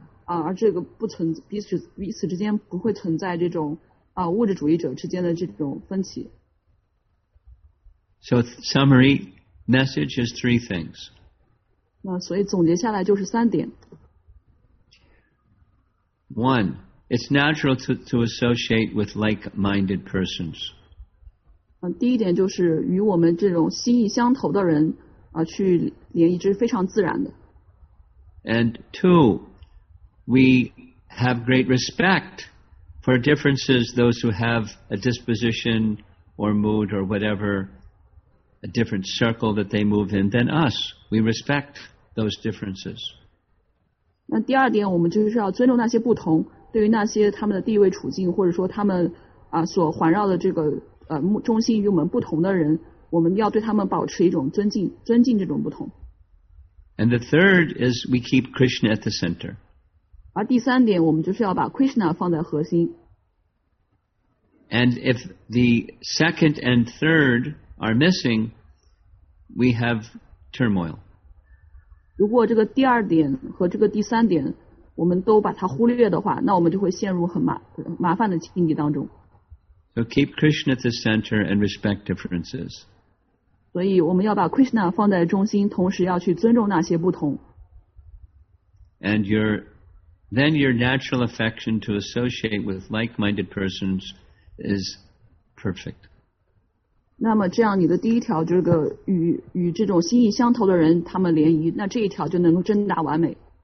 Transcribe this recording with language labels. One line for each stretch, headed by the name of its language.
Chinese: 而这个不存在彼此之间不会存在这种物质主义者之间的这种分歧。
English: So summary message is three things.
Chinese: 那所以总结下来就是三点。
English: One, it's natural to associate with like-minded persons.
Chinese: 第一点就是与我们这种心意相投的人去联谊，这是非常自然的。
English: And two,We have great respect for differences, those who have a disposition or mood or whatever, a different circle that they move in than us. We respect those differences.
Chinese: 那第二点，我们就是要尊重那些不同，对于那些他们的地位处境，或者说他们所环绕的这个中心与我们不同的人，我们要对他们保持一种尊敬这种不同。
English: And the third is we keep Krishna at the center.
Chinese: 而第三点，我们就是要把 Krishna 放在核心。
English: And if the second and third are missing, we have turmoil.
Chinese: 如果这个第二点和这个第三点我们都把它忽略的话，那我们就会陷入很麻烦的境地当中。
English: So keep Krishna at the center and respect differences.
Chinese: 所以我们要把 Krishna 放在中心，同时要去尊重那些不同。
English: And then your natural affection to associate with like-minded persons is perfect.
Chinese: 那么这样你的第一条就是个 与这种心意相投的人他们联谊，那这一条就能够真达完美。